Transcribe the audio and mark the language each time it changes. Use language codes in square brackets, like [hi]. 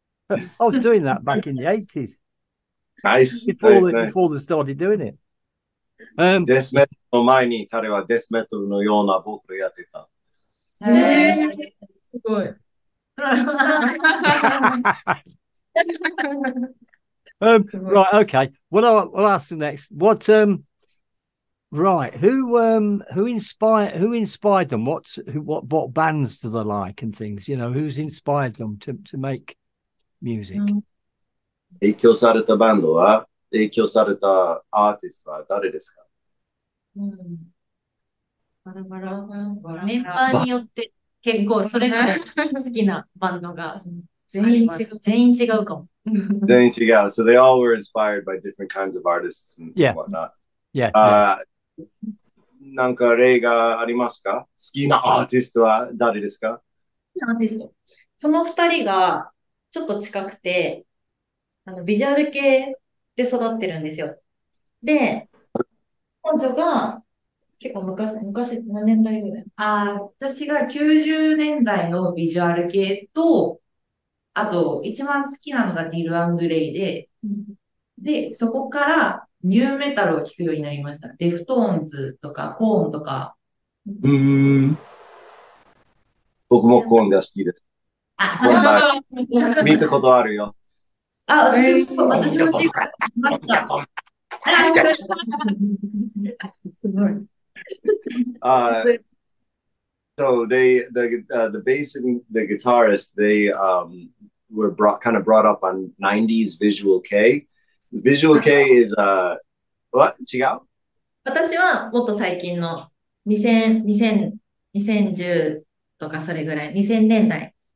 [en] I was doing that back in the 80s. Nice. Before they started doing it. [ja] デスメトルの前に彼はデスメトルのようなボーカルやってた。すごい。 [en] right, okay. We'll ask the next. What, right, who inspired them? What bands do they like and things? You know, who's inspired them to make music? [ja] 影響されたバンドは、影響されたアーティストは誰ですか？バラバラバラメンバーによって結構それが好きなバンドが全員違うかも。 [en] So they all were inspired by different kinds of artists and whatnot. [ja] なんか例がありますか？好きなアーティストは誰ですか？アーティスト。その二人がちょっと近くて、ビジュアル系で育ってるんですよ。で、彼女が結構昔、何年代ぐらい？あ、私が90年代のビジュアル系と、あと一番好きなのがディル・アンドレイで、で、そこからニューメタルを聴くようになりました。デフトーンズとかコーンとか。僕もコーンが好きです。あ、コーンが見たことあるよ。あ、私も好きだった。 [en] So the bass and the guitarist, they were brought up on 90s Visual K. Visual K is what? [ja] 違う？私はもっと最近の2010とかそれぐらい、2000年代。